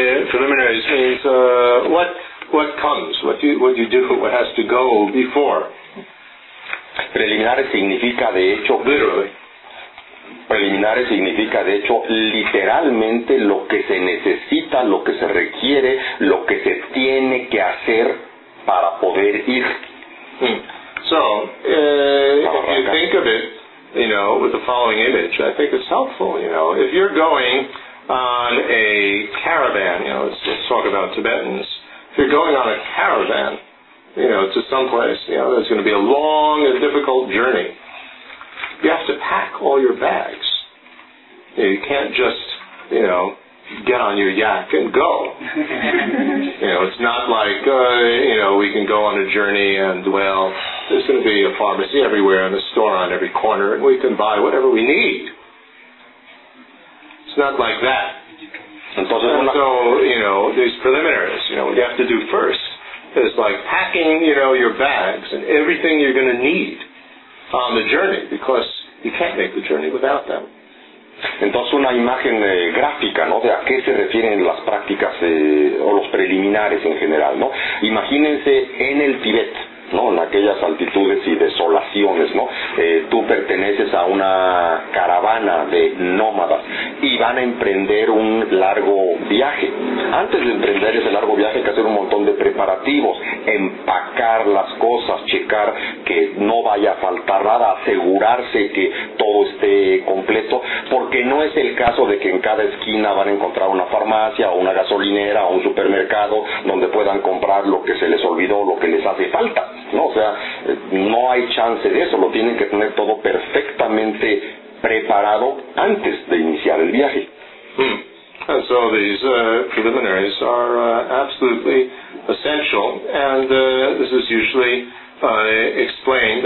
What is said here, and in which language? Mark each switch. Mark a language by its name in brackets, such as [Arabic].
[English] Preliminaries means what comes, what you do, what has to go before. [Spanish] Preliminares significa, de hecho, [English] literally. [Spanish] preliminares significa, de hecho, literalmente lo que se necesita, lo que se requiere, lo que se tiene que hacer para poder ir. [English] So, if you think of it, you know, with the following image, I think it's helpful, you know. If you're going on a caravan, you know, let's talk about Tibetans. If you're going on a caravan, you know, to some place, you know, that's going to be a long and difficult journey. You have to pack all your bags. You know, you can't just, you know, get on your yak and go. You know, it's not like, you know, we can go on a journey and, well, there's going to be a pharmacy everywhere and a store on every corner and we can buy whatever we need. It's not like that. So, you know, these preliminaries, you know, what you have to do first is like packing, you know, your bags and everything you're going to need on the journey, because you can't make the journey without them. [Spanish] Entonces una imagen gráfica, ¿no? De a qué se refieren las prácticas o los preliminares en general, ¿no? Imagínense en el Tíbet, ¿no? En aquellas altitudes y desolaciones, ¿no? Tú perteneces a una caravana de nómadas y van a emprender un largo viaje. Antes de emprender ese largo viaje hay que hacer un montón de preparativos, empacar las cosas, checar que no vaya a faltar nada, asegurarse que todo esté completo, porque no es el caso de que en cada esquina van a encontrar una farmacia o una gasolinera o un supermercado donde puedan comprar lo que se les olvidó, lo que les hace falta. No, o sea, no hay chance de eso, lo tienen que tener todo perfectamente preparado antes de iniciar el viaje. [English] And so these preliminaries are absolutely essential, and this is usually explained.